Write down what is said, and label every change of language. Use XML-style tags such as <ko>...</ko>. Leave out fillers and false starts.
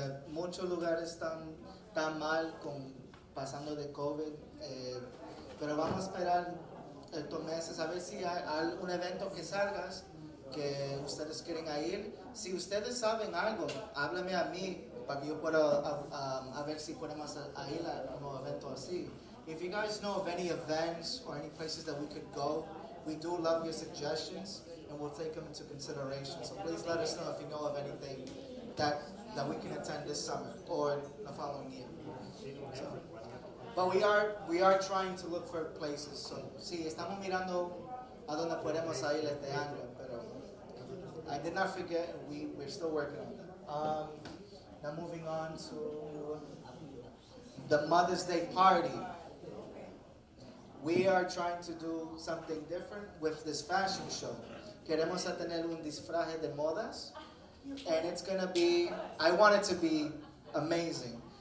<es>Muchos lugares están tan mal con pasando de COVID, pero vamos a esperar estos meses a ver si hay algún evento que salgas que ustedes quieren ir. Si ustedes saben algo, háblame a mí para que yo pueda a ver si podemos ir a un evento así.</es> <en>If you guys know of any events or any places that we could go, we do love your suggestions and we'll take them into consideration. So please let us know if you know of anything that we can attend this summer or the following year. So, but we are trying to look for places.</en> <es>So, sí, estamos mirando a donde podemos ir este año.</es> <en>Pero I did not forget. We're still working on that. Now moving on to the Mother's Day party. We are trying to do something different with this fashion show.</en> <es>Queremos tener un disfraz de modas.</es> <en>And it's going to be, I want it to be amazing.</en>